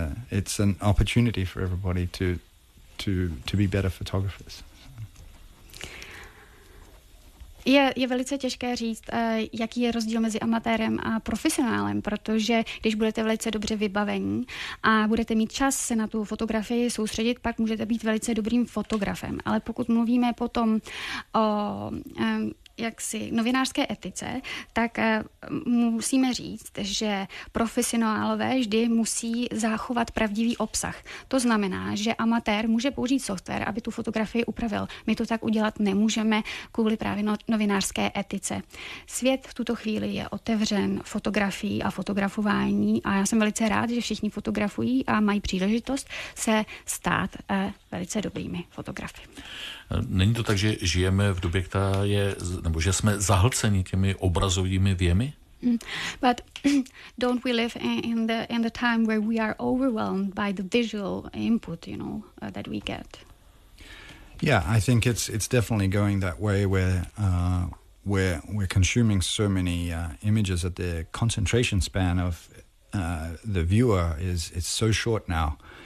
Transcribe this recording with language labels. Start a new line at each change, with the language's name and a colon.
English: It's an opportunity for everybody to be better photographers.
Czech: Je velice těžké říct, jaký je rozdíl mezi amatérem a profesionálem, protože když budete velice dobře vybavení a budete mít čas se na tu fotografii soustředit, pak můžete být velice dobrým fotografem. Ale pokud mluvíme potom o jaksi novinářské etice, tak musíme říct, že profesionálové vždy musí zachovat pravdivý obsah. To znamená, že amatér může použít software, aby tu fotografii upravil. My to tak udělat nemůžeme kvůli právě novinářské etice. Svět v tuto chvíli je otevřen fotografií a fotografování a já jsem velice rád, že všichni fotografují a mají příležitost se stát velice dobrými fotografy. Není to tak, že žijeme v době, která je, nebo že jsme zahlceni těmi obrazovými věmi?
English: But don't we live in the time where we are overwhelmed by the visual input, you know, that we get? Yeah, I think it's definitely going that way where we're consuming so many images that the concentration span of the viewer is so short now.